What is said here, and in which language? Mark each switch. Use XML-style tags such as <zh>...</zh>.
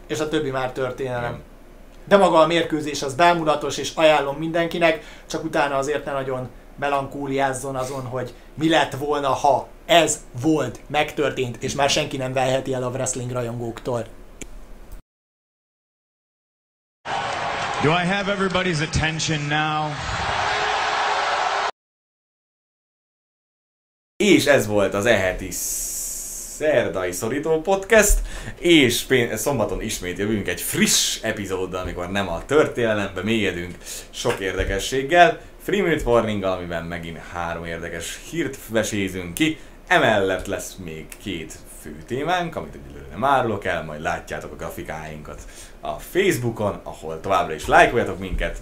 <hu>És a többi már történelem. Igen. De maga a mérkőzés az bámulatos, és ajánlom mindenkinek, csak utána azért ne nagyon melankóliázzon azon, hogy mi lett volna, ha ez volt, megtörtént, és már senki nem velheti el a wrestling rajongóktól.</hu> <en>Do I have everybody's attention now?</en> <hu>És ez volt az eheti szerdai szorító podcast, és szombaton ismét jövünk egy friss epizóddal, amikor nem a történelembe mélyedünk sok érdekességgel, Free Minute Warning-gal, amiben megint 3 érdekes hírt vesézünk ki, emellett lesz még 2 fő témánk, amit egyelőre nem árulok el, majd látjátok a grafikáinkat a Facebookon, ahol továbbra is lájkoljatok minket.</hu>